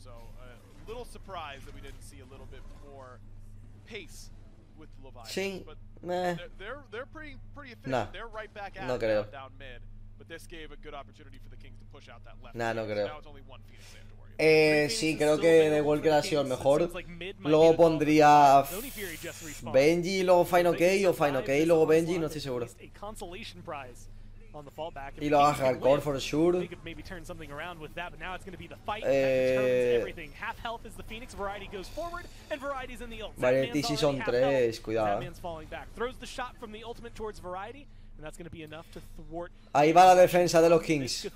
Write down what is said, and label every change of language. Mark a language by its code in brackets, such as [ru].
[en] So a little surprise that we didn't see a little bit more pace with Leviathan. [es] Sí. [en] But they're pretty efficient. Nah. They're right back at [es] no creo. [en] Down mid. But this gave a good opportunity for the Kings to push out that left. [es] Nah, no creo. [en] Now it's only one Phoenix they have to worry [es] about. Sí, creo que The Walker ha sido el mejor. Luego pondría Benji, luego Fine OK o Fine OK, luego Benji, no estoy seguro. [en] Consolation prize. On the fallback. [es] Y lo baja al core [en] for sure. They could maybe turn something around with that, but now it's going to be the fight that determines everything. Half health is the Phoenix. Variety goes forward, and Variety's in the ult. [es] Variety season 3, cuidado. [en] Batman's falling back. Throws the shot from the ultimate towards Variety, and that's going to be enough to thwart. [es] Ahí va la defensa de los Kings.